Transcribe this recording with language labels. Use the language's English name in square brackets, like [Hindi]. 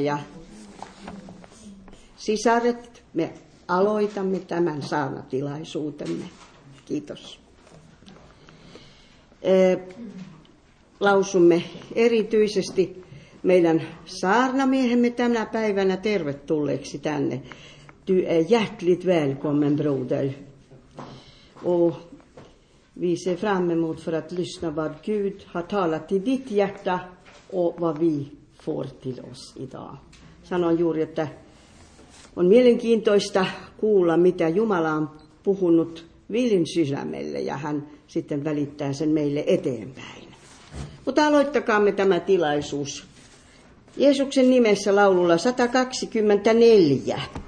[Finnish] Ja sisaret, me aloitamme tämän saarnatilaisuutemme. Kiitos. Lausumme erityisesti meidän saarnamiehemme tänä päivänä tervetulleeksi tänne. [Swedish] Du är hjärtligt välkommen, broder. Och vi ser fram emot för att lyssna vad Gud har talat till ditt hjärta och vad vi får till oss idag. [Finnish] Sanon juuri, että on mielenkiintoista kuulla, mitä Jumala on puhunut Villin sisämelle, ja hän sitten välittää sen meille eteenpäin. Mutta aloittakaamme tämä tilaisuus Jeesuksen nimessä laululla 124.